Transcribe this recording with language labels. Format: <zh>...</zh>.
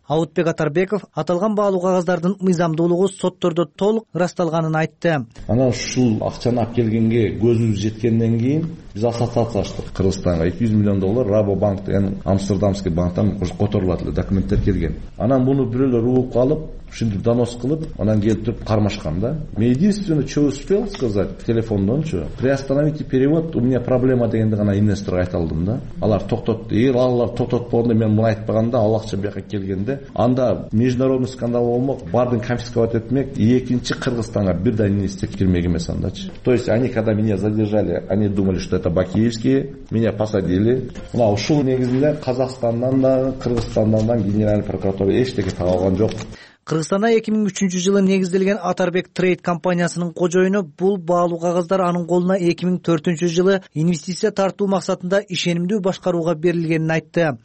<ky>Аутбек Атарбеков аталган баалуу кагаздардын мыйзамдуулугу соттордо толук ырасталганын айтты. Ана ушул акчаны алып келгенге көзүбүз жеткенден кийин биз ассоциациялаштык. Кыргызстанга 200 миллион доллар Рабобанктен, Амстердамский банктан которулат эле документтер келген. Анан муну бирөөлөр угуп калып, ушинтип донос кылып, анан келип кармашкан да. Мен</ky> <ru>единственное, что успел сказать</ru> <ky>телефондончо,</ky> <ru>приостановите перевод, у меня проблема</ru> <ky>дегенде гана инвесторго айта алдым да. Алар токтотту. Эгер алар токтотпогондо мен муну айтпаганда, ал акча бияка келгенде, анда</ky> <ru>международный скандал</ru> <ky>болмок, бардын</ky> <ru>конфисковать</ru> <ky>этмек, экинчи Кыргызстанга бир да инвестор кирмек эмес андачы.</ky> <ru>То есть они когда меня задержали, они думали, что это бакиевские, меня посадили.</ru> <ky>Мына ушул негизинде Казакстандан да, Кыргызстандан да</ky> <ru>генеральный прокуратура</ru> <ky>эчтеке таап алган жок. Кыргызстанда 2003 жылы негизделген Атарбек Трейд компаниясынын кожоюну бул баалуу кагаздар анын колуна 2004 жылы инвестиция тартуу максатында ишенимдүү башкарууга берилгенин айтты.</ky>